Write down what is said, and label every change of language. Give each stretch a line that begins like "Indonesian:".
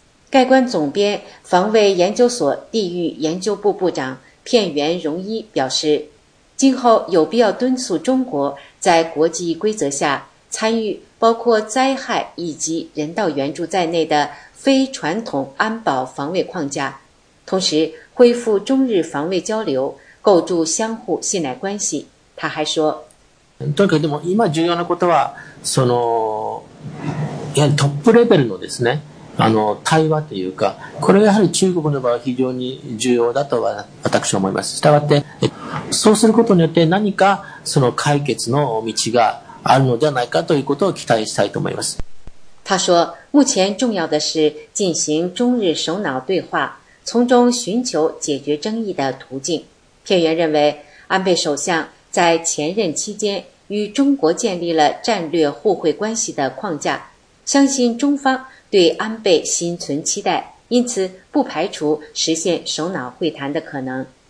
Chinese: 概观总编、防卫研究所地域研究部部长片原荣一表示，今后有必要敦促中国在国际规则下参与包括灾害以及人道援助在内的非传统安保防卫框架，同时恢复中日防卫交流，构筑相互信赖关系。他还说，
Japanese: とにかくでも今重要なことはそのやはりトップレベルのですね、あの対話というか、これがやはり中国の場合非常に重要だとは私は思います。したがってそうすることによって何かその解決の道があるのではないかということを期待したいと思います。
Chinese: 他说，目前重要的是进行中日首脑对话，从中寻求解决争议的途径。片原认为，安倍首相在前任期间与中国建立了战略互惠关系的框架，相信中方对安倍心存期待，因此不排除实现首脑会谈的可能。